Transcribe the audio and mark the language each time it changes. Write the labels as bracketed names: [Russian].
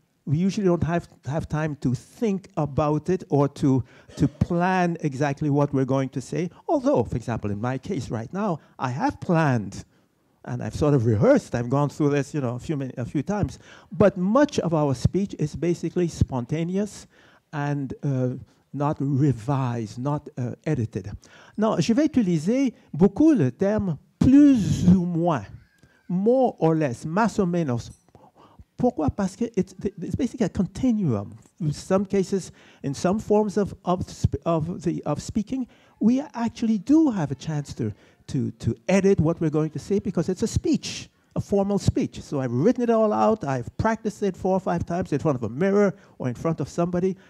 [English] We usually don't have time to think about it or to plan exactly what we're going to say. Although, for example, in my case right now, I have planned and I've sort of rehearsed. I've gone through this, you know, a few times. But much of our speech is basically spontaneous and not revised, not edited. Now, [French] je vais utiliser beaucoup le terme plus ou moins, [English] more or less, [Spanish] más o menos. [French] Pourquoi? Parce que [English] it's basically a continuum. In some cases, in some forms of speaking, we actually do have a chance to edit what we're going to say because it's a speech, a formal speech. So I've written it all out. I've practiced it four or five times in front of a mirror or in front of somebody.